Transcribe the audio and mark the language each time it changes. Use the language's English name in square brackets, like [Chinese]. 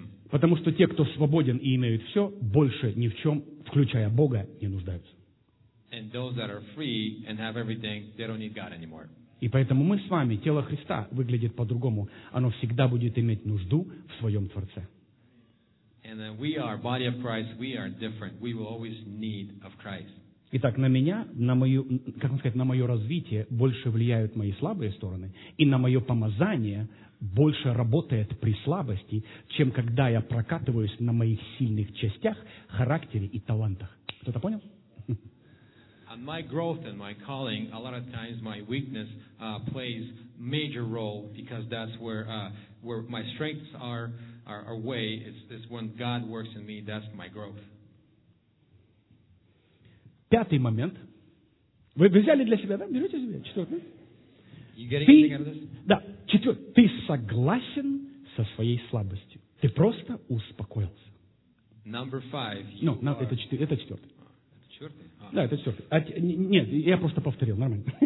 [Russian] Потому что те, кто свободен и имеют все, больше ни в чем, включая Бога, не нуждаются. [English] And those that are free and have everything, they don't need God anymore. [Russian] И поэтому мы с вами, тело Христа выглядит по-другому. Оно всегда будет иметь нужду в своем Творце. [English] And then we are body of Christ. We are different. We will always need of Christ. [Russian] Итак, на меня, на мое развитие больше влияют мои слабые стороны, и на мое помазание больше работает при слабости, чем когда я прокатываюсь на моих сильных частях, характере и талантах. Кто-то понял? [English] My growth and my calling, a lot of times my weakness plays major role because that's where my strengths are way. It's when God works in me, that's my growth. [Russian] Пятый момент. Вы взяли для себя, да? Берете себе? Четвертый. [English] You getting anything out of this? [Russian] Да, четвертый. Ты согласен со своей слабостью. Ты просто успокоился. [English] Number five. [Russian] Это четвертый. Четвертый? Да, это четвертый. Нет, я просто повторил, нормально.